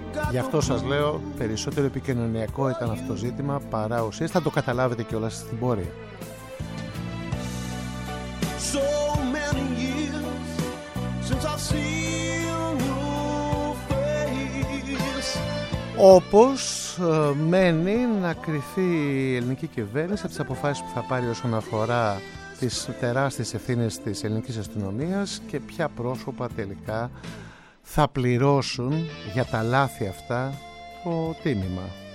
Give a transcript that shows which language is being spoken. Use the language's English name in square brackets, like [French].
[Greek] Γι' αυτό σας λέω, περισσότερο επικοινωνιακό ήταν αυτό το ζήτημα παρά ουσίες. Θα το καταλάβετε κιόλας στην πορεία. [English] So many years since I've seen you. [Greek] Όπως μένει να κρυθεί η ελληνική κυβέρνηση από τις αποφάσεις που θα πάρει όσον αφορά τις τεράστιες ευθύνες της ελληνικής αστυνομίας και ποια πρόσωπα τελικά θα πληρώσουν για τα λάθη αυτά το τίμημα.